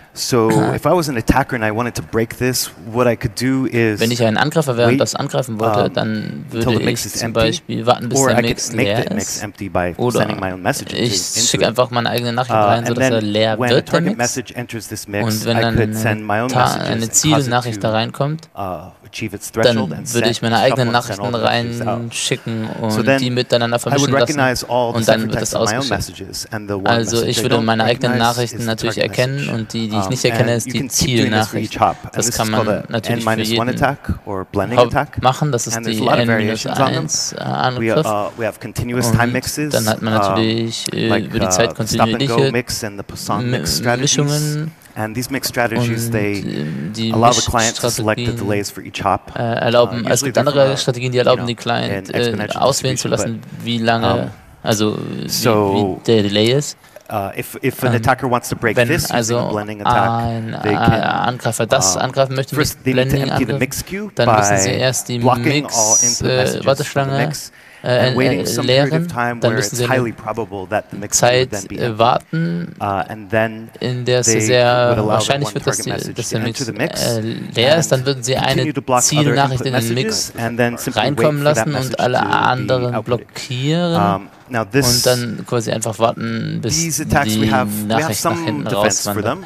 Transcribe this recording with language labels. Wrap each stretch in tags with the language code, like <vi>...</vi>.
<en>So if I was an attacker and I wanted to break this, what I could do is</en> <de>wenn ich ein Angreifer wäre und das angreifen wollte, dann würde ich zum Beispiel warten, bis der Mix leer ist. Oder ich schicke einfach meine eigene Nachricht rein, sodass er leer wird, der Mix. Und wenn dann eine Zielnachricht da reinkommt, dann würde ich meine eigenen Nachrichten reinschicken und die miteinander vermischen lassen und dann wird das ausgeschickt. Also ich würde meine eigenen Nachrichten natürlich erkennen und die ich nicht erkenne, ist die Zielnachricht. Das kann man natürlich für jeden machen, das ist die N-1-Angriff. Dann hat man natürlich über die Zeit kontinuierliche Mischungen.</de> <en>And these mixed strategies, they allow the client to select the delays for each hop.</en> <de>Erlauben, es gibt andere Strategien, die erlauben, die Client auswählen zu lassen, wie lange, also wie der Delay ist.</de> <en>If an attacker wants to break this</en> <de>also</de> <en>using a blending attack, they can</en> <de>Angreifer das angreifen möchte mit Blending Angriff, dann müssen sie erst die Mix Warteschlange leeren, dann müssen sie eine Zeit warten, in der es sehr wahrscheinlich wird, dass der Mix leer ist, dann würden sie eine Zielnachricht in den Mix reinkommen lassen und alle anderen blockieren und dann quasi einfach warten, bis die Nachricht nach hinten rauswandert.</de>